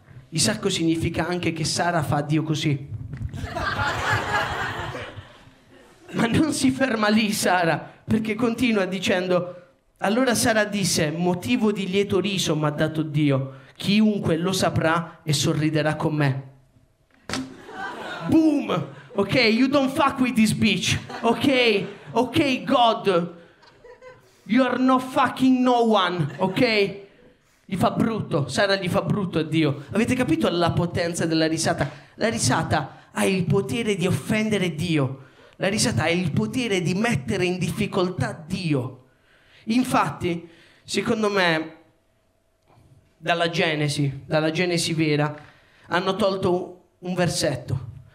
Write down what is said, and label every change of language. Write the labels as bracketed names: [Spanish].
[Italian] Isacco significa anche che Sara fa Dio così. Ma non si ferma lì Sara, perché continua dicendo: allora Sara disse, motivo di lieto riso mi ha dato Dio, chiunque lo saprà e sorriderà con me. [English] Boom, ok, you don't fuck with this bitch, ok, ok God, you're no fucking no one, ok? [Italian] Gli fa brutto, Sara gli fa brutto a Dio. Avete capito la potenza della risata? La risata ha il potere di offendere Dio. La risata ha il potere di mettere in difficoltà Dio. Infatti, secondo me, dalla Genesi vera, hanno tolto un versetto.